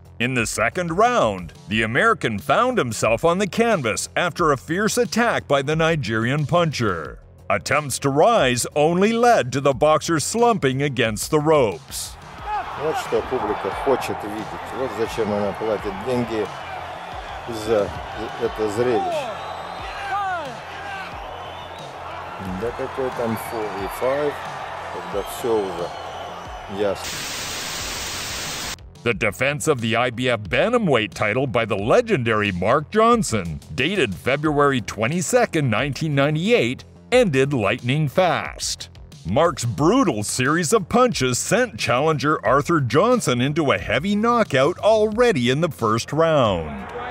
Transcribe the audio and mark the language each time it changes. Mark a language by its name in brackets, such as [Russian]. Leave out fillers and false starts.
[English] In the second round, the American found himself on the canvas after a fierce attack by the Nigerian puncher. Attempts to rise only led to the boxer slumping against the ropes. [Russian] Вот что публика хочет видеть. Вот зачем она платит деньги за это зрелище. Да какой там 4-5, когда все уже ясно. [English] The defense of the IBF bantamweight title by the legendary Mark Johnson, dated February 22, 1998, ended lightning fast. Mark's brutal series of punches sent challenger Arthur Johnson into a heavy knockout already in the first round.